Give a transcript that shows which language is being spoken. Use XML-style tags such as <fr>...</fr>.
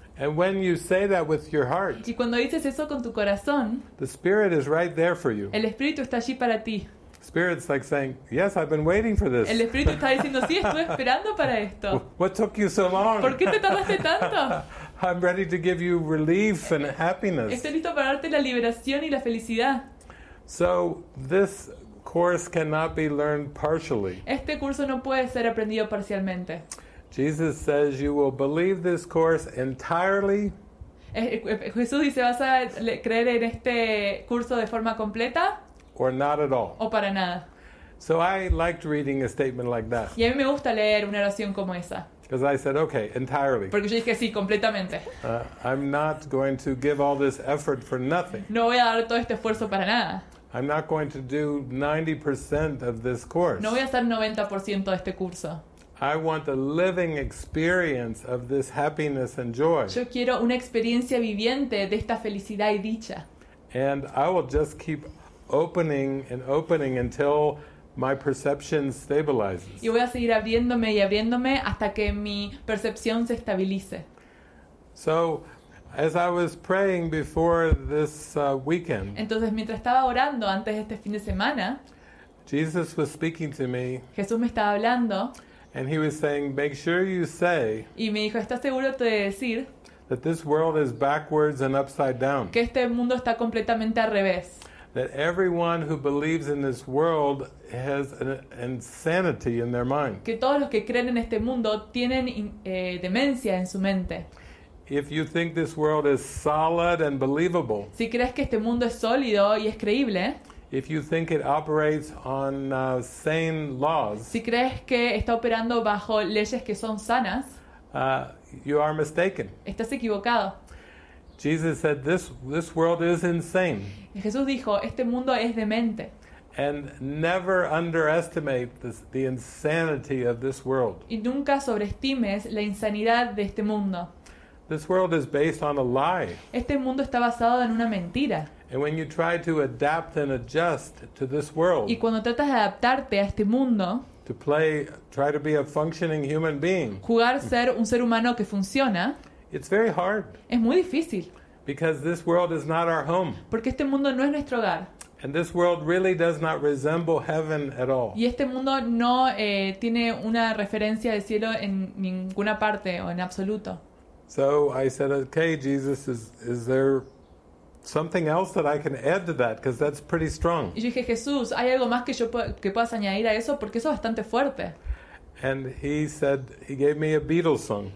<en>And when you say that with your heart,</en> <es>y cuando dices eso con tu corazón,</es> <en>the Spirit is right there for you.</en> <es>El Espíritu está allí para ti.</es> <en>Spirit's like saying, "Yes, I've been waiting for this."</en> <es>El Espíritu está diciendo, sí, estuve esperando para esto.</es> <en>What took you so long?</en> <es>¿Por qué te tardaste tanto?</es> <en>I'm ready to give you relief and happiness.</en> <es>Estoy listo para darte la liberación y la felicidad.</es> <en>So this course cannot be learned partially.</en> <es>Este curso no puede ser aprendido parcialmente.</es> <en>Jesus says you will believe this course entirely.</en> <es>Jesús dice vas a creer en este curso de forma completa.</es> <en>Or not at all.</en> <es>O para nada.</es> <en>So I liked reading a statement like that.</en> <es>Y a mí me gusta leer una oración como esa.</es> <en>Because I said okay, entirely.</en> <es>Porque yo dije sí, completamente.</es> <en>I'm not going to give all this effort for nothing.</en> <es>No voy a dar todo este esfuerzo para nada.</es> <en>I'm not going to do 90% of this course.</en> <es>No voy a hacer 90% de este curso.</es> <en>I want the living experience of this happiness and joy.</en> <es>Yo quiero una experiencia viviente de esta felicidad y dicha.</es> <en>And I will just keep opening and opening until my perception stabilizes.</en> <es>Y voy a seguir abriéndome y abriéndome hasta que mi percepción se estabilice.</es> <en>So, as I was praying before this weekend.</en> <es>Entonces, mientras estaba orando antes de este fin de semana,</es> <en>Jesus was speaking to me.</en> <es>Jesús me estaba hablando.</es> <en>And he was saying, "Make sure you say."</en> <es>Y me dijo, "¿Estás seguro de decir?"</es> <en>That this world is backwards and upside down.</en> <es>Que este mundo está completamente al revés.</es> <en>That everyone who believes in this world has an insanity in their mind.</en> <es>Que todos los que creen en este mundo tienen demencia en su mente.</es> <en>If you think this world is solid and believable,</en> <es>si crees que este mundo es sólido y es creíble,</es> <en>if you think it operates on sane laws,</en> <es>si crees que está operando bajo leyes que son sanas,</es> <en>you are mistaken.</en> <es>Estás equivocado.</es> <en>Jesus said this world is insane.</en> <es>Y Jesús dijo, este mundo es demente.</es> <en>And never underestimate the insanity of this world.</en> <es>Y nunca sobreestimes la insanidad de este mundo.</es> <en>This world is based on a lie.</en> <es>Este mundo está basado en una mentira.</es> <en>And when you try to adapt and adjust to this world,</en> <es>y cuando tratas de adaptarte a este mundo,</es> <en>try to be a functioning human being,</en> <es>jugar ser un ser humano que funciona,</es> <en>it's very hard.</en> <es>Es muy difícil.</es> <en>Because this world is not our home.</en> <es>Porque este mundo no es nuestro hogar.</es> <en>And this world really does not resemble heaven at all.</en> <es>Y este mundo no tiene una referencia de cielo en ninguna parte o en absoluto.</es> <en>So I said, okay, Jesus, is there something else that I can add to that? Because that's pretty strong.</en> <es>Y yo dije, Jesús, ¿hay algo más que puedas añadir a eso? Porque eso es bastante fuerte.</es> <en>And he said, he gave me a Beatles song.</en>